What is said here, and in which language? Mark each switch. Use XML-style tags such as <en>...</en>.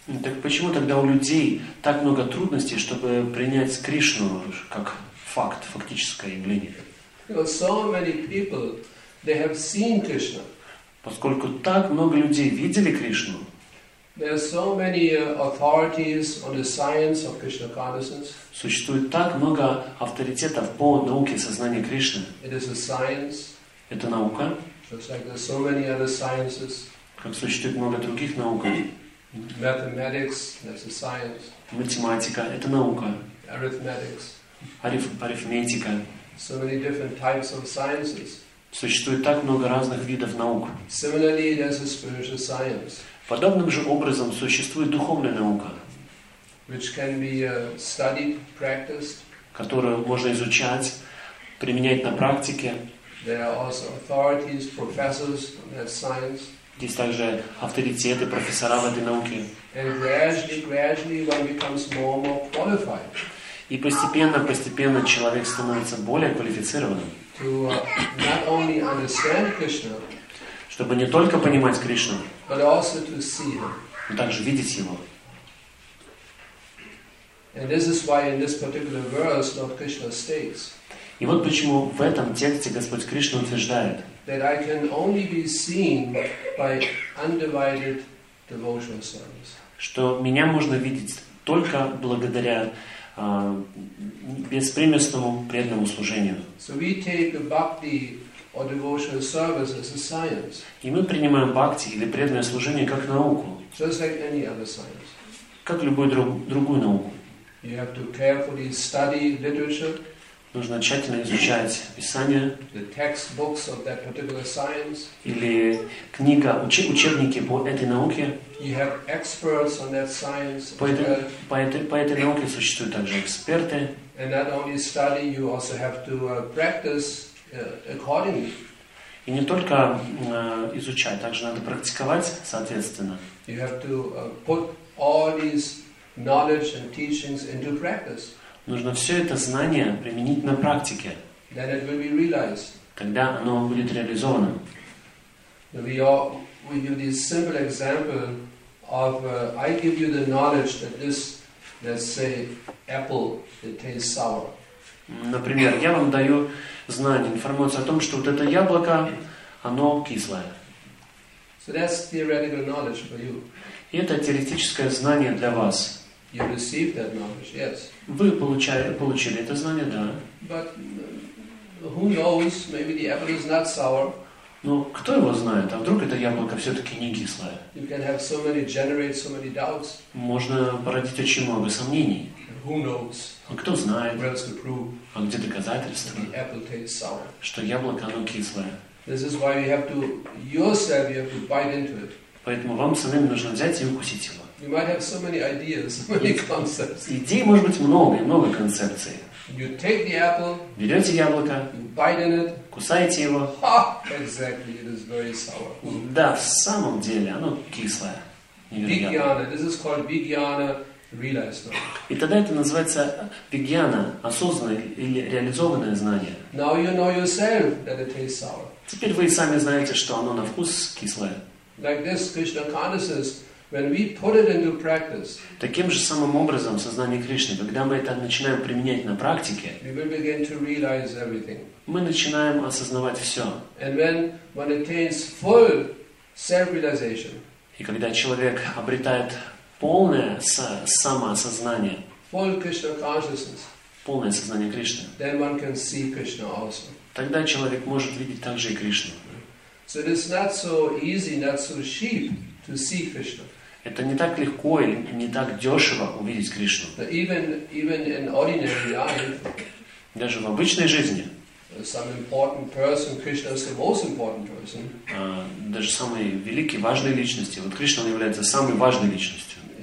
<ru>Так почему тогда у людей так много трудностей, чтобы принять Кришну как факт, фактическое явление?</ru> <en>Because so many people they have seen Krishna.</en> <ru>Поскольку так много людей видели Кришну,</ru> <en>there are so many authorities on the science of Krishna consciousness.</en> <ru>Существует так много авторитетов по науке сознания Кришны.</ru> <en>It is a science.</en> <ru>Это наука.</ru> <en>Just like there are so many other sciences.</en> <ru>Как существует много других наук.</ru> <en>Mathematics, that's a science.</en> <ru>Математика, это наука.</ru> <en>Arithmetics.</en> <ru>Арифметика.</ru> <en>So many different types of sciences.</en> <ru>Существует так много разных видов наук.</ru> <en>Similarly, there's a spiritual science.</en> <ru>Подобным же образом существует духовная наука,</ru> <en>which can be studied, practiced.</en> <ru>Которую можно изучать, применять на практике.</ru> <en>There are also authorities, professors of that science.</en> <ru>Есть также авторитеты, профессора в этой науке.</ru> <en>And gradually one becomes more and more qualified.</en> <ru>И постепенно человек становится более квалифицированным.</ru> <en>To not only understand Krishna,</en> <ru>чтобы не только понимать Кришну,</ru> <en>but also to see him.</en> <ru>Но также видеть Его.</ru> <en>And this is why in this particular verse Lord Krishna states,</en> <ru>и вот почему в этом тексте Господь Кришна утверждает,</ru> <en>that I can only be seen by undivided devotional service.</en> <ru>Что меня можно видеть только благодаря беспримесному преданному служению.</ru> <en>So we take the bhakti or devotional service as a science.</en> <ru>И мы принимаем бхакти или преданное служение как науку.</ru> <en>Just like any other science.</en> <ru>Как любую другую науку.</ru> <en>You have to carefully study literature.</en> <ru>Нужно тщательно изучать писание.</ru> <en>The textbooks of that particular science.</en> <ru>Или книга, учебники по этой науке.</ru> <en>You have experts on that science.</en> <ru>По этой науке существуют также эксперты.</ru> <en>And not only study, you also have to practice accordingly.</en> <ru>И не только изучать, также надо практиковать соответственно.</ru> <en>You have to put all these knowledge and teachings into practice.</en> <ru>Нужно все это знание применить на практике.</ru> <en>Then it will be realized.</en> <ru>Тогда оно будет реализовано.</ru> <en>We give this simple example of I give you the knowledge that this, let's say, apple, it tastes sour.</en> <ru>Например, я вам даю знание, информацию о том, что вот это яблоко, оно кислое.</ru> <en>So that's theoretical knowledge for you.</en> <ru>И это теоретическое знание для вас.</ru> <en>You received that knowledge, yes.</en> <ru>Вы получили это знание, да.</ru> <en>But who knows? Maybe the apple is not sour.</en> <ru>Ну, кто его знает? А вдруг это яблоко все-таки не кислое?</ru> <en>You can have so many generate so many doubts.</en> <ru>Можно породить очень много сомнений.</ru> <en>Who knows?</en> <ru>А кто знает?</ru> <en>Where's the proof?</en> <ru>А где доказательства?</ru> <en>The apple tastes sour.</en> <ru>Что яблоко, оно кислое.</ru> <en>This is why you have to yourself, you have to bite into it.</en> <ru>Поэтому вам самим нужно взять и укусить его.</ru> <en>You might have so many ideas, so many concepts.</en> <ru>Идей может быть много, много концепций.</ru> <en>You take the apple.</en> <ru>Берете яблоко.</ru> <en>You bite in it.</en> <ru>Кусаете его.</ru> <en>Ha! Exactly, it is very sour.</en> <ru>Да, в самом деле, оно кислое.</ru> <en>Vigyana, this is called Vigyana realized.</en> <ru>И тогда это называется Vigyana, осознанное или реализованное знание.</ru> <en>Now you know yourself that it tastes sour.</en> <ru>Теперь вы сами знаете, что оно на вкус кислое.</ru> <en>Like this, Krishna consciousness, when we put it into practice.</en> <ru>Таким же самым образом сознание Кришны, когда мы это начинаем применять на практике.</ru> <en>We will begin to realize everything.</en> <ru>Мы начинаем осознавать все.</ru> <en>And when one attains full self-realization.</en> <ru>И когда человек обретает полное самоосознание.</ru> <en>Full Krishna consciousness.</en> <ru>Полное сознание Кришны.</ru> <en>Then one can see Krishna also.</en> <ru>Тогда человек может видеть также и Кришну.</ru> <en>So it is not so easy, not so cheap to see Krishna.</en> <ru>Это не так легко и не так дешево увидеть Кришну.</ru> <en>Even in ordinary life.</en> <ru>Даже в обычной жизни.</ru> <en>Some important person, Krishna is the most important person.</en> <ru>Даже самые великие важные личности. Вот Кришна является самой важной личностью.</ru>